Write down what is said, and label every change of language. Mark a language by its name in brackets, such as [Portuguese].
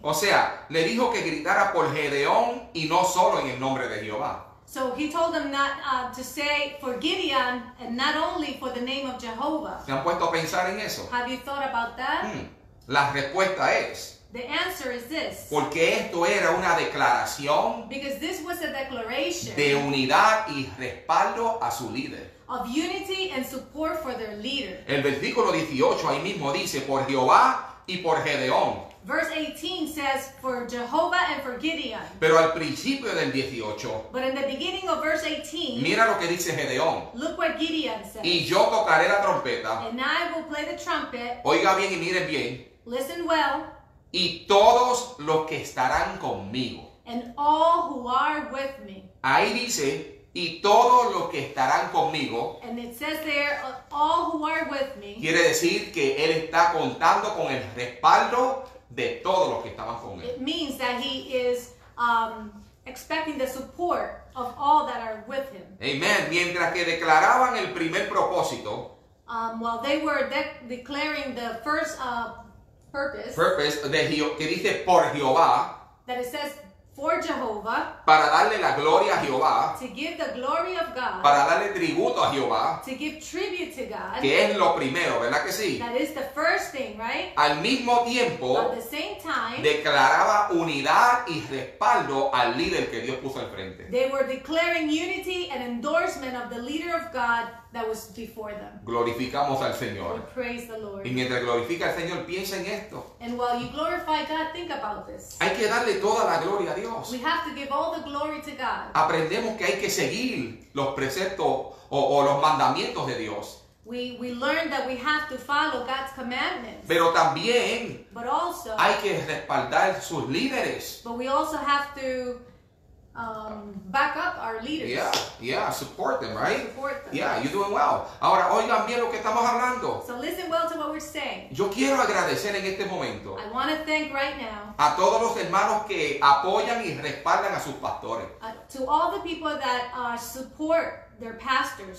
[Spanish] O sea, le dijo que gritara por Gedeón y no solo en el nombre de Jehová. [English] So he told them not to say for Gideon and not only for the name of Jehovah. [Spanish] ¿Se han puesto a pensar en eso? [English] Have you thought about that? [Spanish] La respuesta es. [English] The answer is this. [Spanish] Porque esto era una declaración. [English] Because this was a declaration. [Spanish] De unidad y respaldo a su líder. [English] Of unity and support for their leader. [Spanish] El versículo 18 ahí mismo dice por Jehová y por Gedeón. [English] Verse 18 says for Jehovah and for Gideon. [Spanish] Pero al principio del 18. [English] But in the beginning of verse 18. [Spanish] Mira lo que dice Gedeón. [English] Look what Gideon says. [Spanish] Y yo tocaré la trompeta. [English] And I will play the trumpet. [Spanish] Oiga bien y miren bien. [English] Listen well. [Spanish] Y todos los que estarán conmigo. [English] And all who are with me. [Spanish] Ahí dice. Y todos los que estarán conmigo. [English] And it says there, all who are with me. [Spanish] Quiere decir que él está contando con el respaldo de todos los que estaban con él. [English] It means that he is expecting the support of all that are with him. [Spanish] Amen. Mientras que declaraban el primer propósito. [English] While they were declaring the first purpose. [Spanish] Purpose de que dice por Jehová. [English] That it says for Jehovah, [Spanish] para darle la gloria a Jehová, [English] to give the glory of God, [Spanish] para darle tributo a Jehová, [English] to give tribute to God, [Spanish] que es lo primero, ¿verdad que sí? [English] That is the first thing, right? [Spanish] Al mismo tiempo, [English] at the same time, [Spanish] declaraba unidad y respaldo al líder que Dios puso al frente. [English] They were declaring unity and endorsement of the leader of God that was before them. [Spanish] Glorificamos al Señor. [English] We praise the Lord. [Spanish] Y mientras glorifica al Señor, piensa en esto. [English] And while you glorify God, think about this. [Spanish] Hay que darle toda la gloria a Dios. [English] We have to give all the glory to God. [Spanish] Aprendemos que hay que seguir los preceptos o los mandamientos de Dios. [English] We learn that we have to follow God's commandments. [Spanish] Pero también. [English] But also. [Spanish] Hay que respaldar sus líderes. [English] But we also have to back up our leaders. Yeah, support them, right? Support them. Yeah, you're doing well. [Spanish] Ahora, oigan bien lo que estamos hablando. [English] So listen well to what we're saying. [Spanish] Yo quiero agradecer en este momento. [English] I want to thank right now. [Spanish] A todos los hermanos que apoyan y respaldan a sus pastores. [English] To all the people that support their pastors.